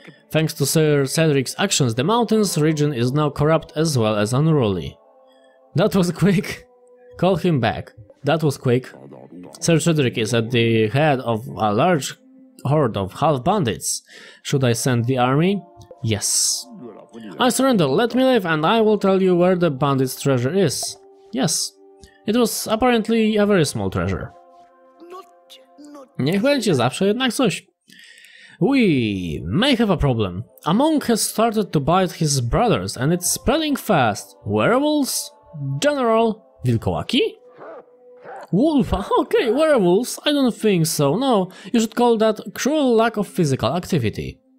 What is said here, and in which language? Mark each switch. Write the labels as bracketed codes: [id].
[en] Thanks to Sir Cedric's actions, the mountains region is now corrupt as well as unruly. That was quick. Call him back. That was quick. Sir Cedric is at the head of a large horde of half-bandits. Should I send the army? Yes. I surrender, let me live and I will tell you where the bandit's treasure is. Yes. It was apparently a very small treasure. [pl] Niech będzie zawsze jednak coś. [en] We may have a problem. A monk has started to bite his brothers and it's spreading fast. Werewolves? General? Wilkołaki? Wolf? Okay, werewolves? I don't think so. No, you should call that cruel lack of physical activity.